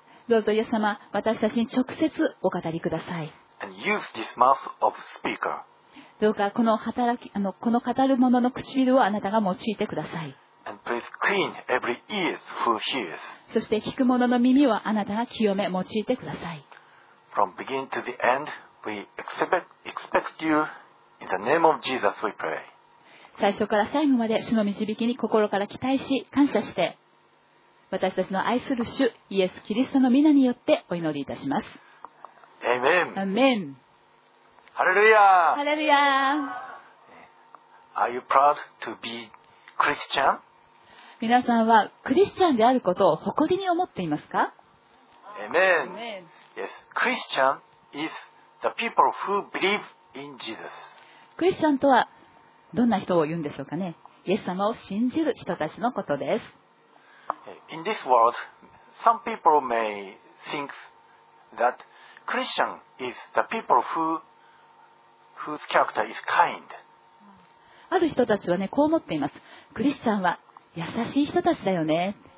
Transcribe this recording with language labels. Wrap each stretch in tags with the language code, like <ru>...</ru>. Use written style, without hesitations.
<ja>どうぞイエス様、私たちに直接お語りください。</ja> <en>And use this mouth of speaker.</en> <ja>どうかこの働き、この語る者の唇をあなたが用いてください。</ja> <en>And please clean every ears who hears.</en> <ja>そして聞く者の耳をあなたが清め用いてください。</ja> <en>From beginning to the endWe expect you in the name of Jesus. We pray.</en> <ja>最初から最後まで主の導きに心から期待し感謝して、私たちの愛する主イエスキリストの御名によってお祈りいたします。</ja> <en>Amen. Amen. Hallelujah. Hallelujah. Are you proud to be Christian?</en> <ja>皆さんはクリスチャンであることを誇りに思っていますか</ja> <en>？Amen. Yes. Christian is. The people who believe in Jesus.</en> <ja>クリスチャンとはどんな人を言うんでしょうかね。イエス様を信じる人たちのことです。</ja> <en>In this world, some people may think that Christian is the people who, whose character is kind.</en> <ja>ある人たちはね、こう思っています。クリスチャンは優しい人たちだよね。</ja>